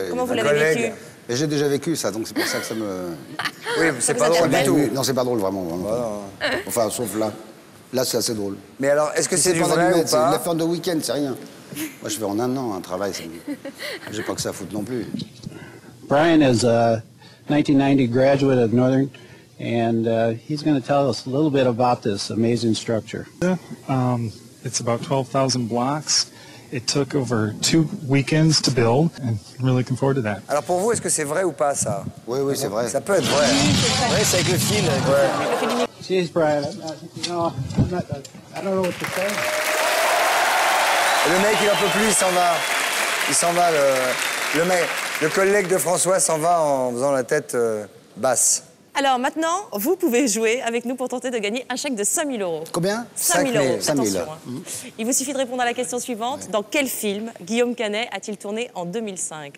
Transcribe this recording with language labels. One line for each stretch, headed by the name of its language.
French: Comment vous l'avez vécu? Mais j'ai déjà vécu ça, donc c'est pour ça que ça me... Oui, c'est pas drôle du tout. Non, c'est pas drôle, vraiment. Voilà. Enfin, sauf là. Là, c'est assez drôle. Mais alors, est-ce que c'est du vrai ou pas? C'est une fin de week-end, c'est rien. Moi, je fais en un an un travail. J'ai pas que ça à foutre non plus.
English: Brian is a 1990 graduate of Northern, and he's going to tell us a little bit about this amazing structure. It's about 12,000 blocks. It took over 2 weekends to build, and I'm really looking forward to that.
French: Alors pour vous, est-ce que c'est vrai ou pas ça? Oui, oui, c'est vrai. Ça peut être vrai. Oui, c'est avec le fil.
English: Jeez, Brian, I don't know what to say.
French: Le mec, il en peut plus, il s'en va. Il s'en va, le mec. Le collègue de François s'en va en faisant la tête basse. Alors maintenant, vous pouvez jouer avec nous pour tenter de gagner un chèque de 5000 euros. Combien? 5000 euros, 5 000. Attention. 000. Hein. Il vous suffit de répondre à la question suivante. Oui. Dans quel film Guillaume Canet a-t-il tourné en 2005?